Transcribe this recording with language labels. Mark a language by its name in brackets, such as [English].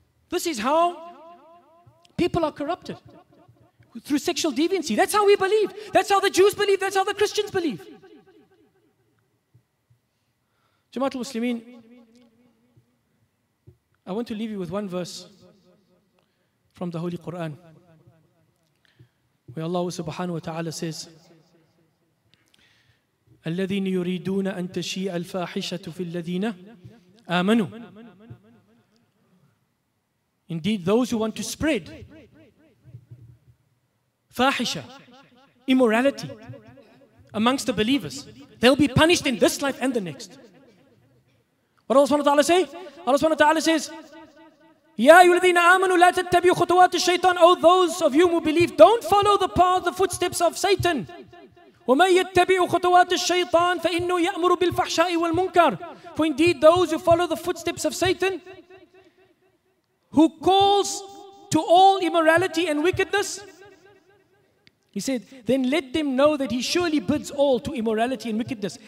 [English] This is how people are corrupted. Through sexual deviancy. That's how we believe. That's how the Jews believe. That's how the Christians believe. Jamaat al-Muslimin, I want to leave you with one verse from the Holy Quran. Where Allah subhanahu wa ta'ala says, [Arabic] الذين يريدون أن تشيع الفاحشة في الذين آمنوا. [English] Indeed, those who want to spread فاحشة, immorality amongst the believers, they'll be punished in this life and the next. What does Allah subhanahu wa ta'ala say? Allah subhanahu wa ta'ala says, [Arabic] يا أيها الذين آمنوا لا تتبعوا خطوات الشيطان. [English] O those of you who believe, don't follow the path, the footsteps of Satan. [Arabic] وَمَنْ يَتَّبِعُ خُطُوَاتِ الشَّيْطَانِ فَإِنَّهُ يَأْمُرُ بِالْفَحْشَاءِ وَالْمُنْكَرِ. [English] For indeed those who follow the footsteps of Satan, who calls to all immorality and wickedness, he said, then let them know that he surely bids all to immorality and wickedness.